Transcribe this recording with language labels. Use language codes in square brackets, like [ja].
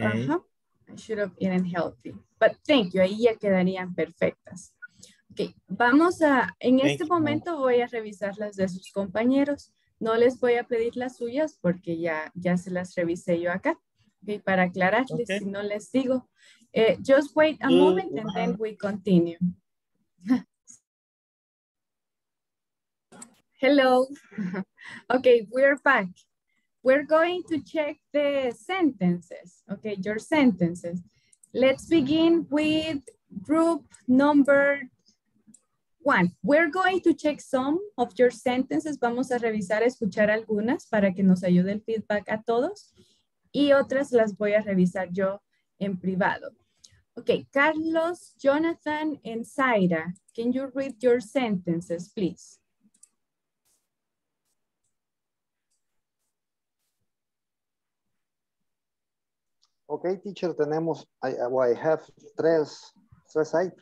[en] Uh-huh. I should have eaten healthy. But thank you, [es] ahí ya quedarían perfectas. Ok, vamos a, en este momento voy a revisar las de sus compañeros. No les voy a pedir las suyas porque ya se las revisé yo acá. Ok, para aclararles, si no les digo. [en] Just wait a moment and then we continue. Hello. Ok, we're back. We're going to check the sentences. Ok, your sentences. Let's begin with group number one. We're going to check some of your sentences. [es] Vamos a revisar, escuchar algunas para que nos ayude el feedback a todos. Y otras las voy a revisar yo en privado. [en] Okay, Carlos, Jonathan, and Zaira, can you read your sentences, please? Okay, teacher, tenemos, I have tres items.